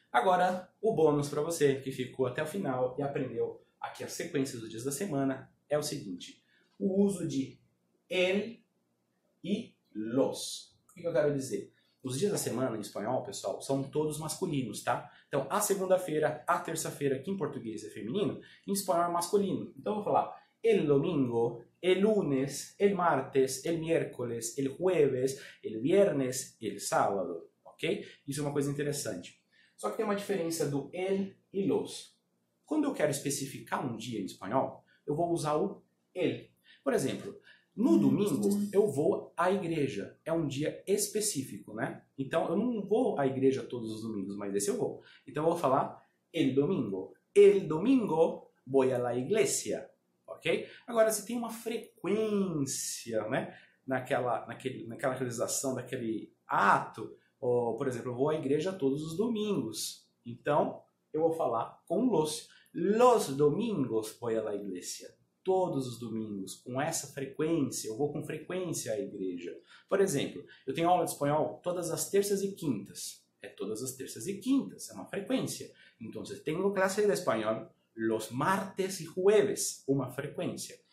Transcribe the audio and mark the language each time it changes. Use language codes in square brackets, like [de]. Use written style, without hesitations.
[pt] Agora, o bônus para você que ficou até o final e aprendeu aqui a sequência dos dias da semana é o seguinte. O uso de el e los. O que eu quero dizer? Os dias da semana em espanhol, pessoal, são todos masculinos, tá? Então, a segunda-feira, a terça-feira, que em português é feminino, em espanhol é masculino. Então, eu vou falar el domingo, el lunes, el martes, el miércoles, el jueves, el viernes, el sábado. Ok? Isso é uma coisa interessante. Só que tem uma diferença do el e los. Quando eu quero especificar um dia em espanhol, eu vou usar o el. Por exemplo, no domingo eu vou à igreja. É um dia específico, né? Então eu não vou à igreja todos os domingos, mas esse eu vou. Então eu vou falar el domingo. [es] El domingo voy a la iglesia. [pt] Ok? Agora, se tem uma frequência, né? Naquela realização daquele ato. Ou, por exemplo, eu vou à igreja todos os domingos. Então, eu vou falar com los. [es] Los domingos voy a la iglesia. [pt] Todos os domingos, com essa frequência, eu vou com frequência à igreja. Por exemplo, eu tenho aula de espanhol todas as terças e quintas. É todas as terças e quintas, é uma frequência. Então, eu tenho clase de espanhol [es] los martes y jueves, [pt] uma frequência.